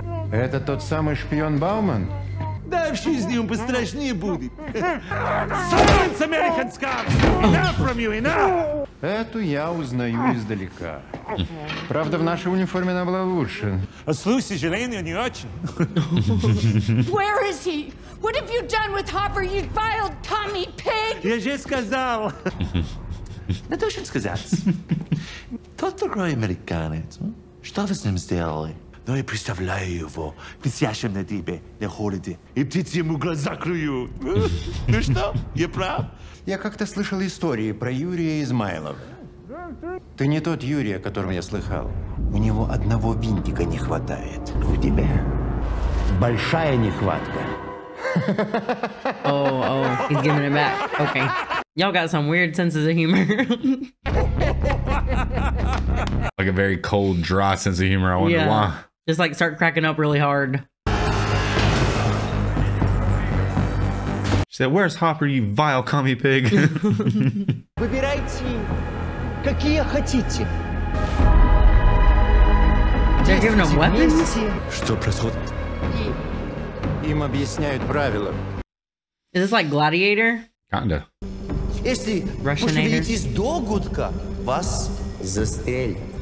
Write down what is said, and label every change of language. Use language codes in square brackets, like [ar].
[ru] Это тот самый шпион Бауман? Да в жизни он пострашнее будет. [en] Silence, American scum! Enough from you, enough! [ru] Эту я узнаю издалека. Правда, в нашей униформе она была лучше. А слушай, Желейный, не очень. [en] Where is he? What have you done with Hopper, you vile commie pig? [ru] Я же сказал. Я должен сказать. Тот другой американец. Что вы с ним сделали? Ну, я представляю его висящим на дыбе, на холоде, и птицы ему глаза клюют. Ну что, я прав? Я как-то слышал истории про Юрия Измайлова. Ты не тот Юрий, о котором я слыхал. У него одного винтика не хватает. У тебя большая нехватка. [en] Oh, he's giving it back. Okay. Y'all got some weird senses of humor. Like a very cold, dry sense of humor. I wonder why. Just like start cracking up really hard. She said, where's Hopper, you vile commie pig? [ru] Выбирайте, какие хотите. [en] They're giving them weapons? [ru] Что происходит? Им объясняют правила. [en] Is this like Gladiator? Kinda. [ru] Если пошевелитесь до гудка, вас застрелят.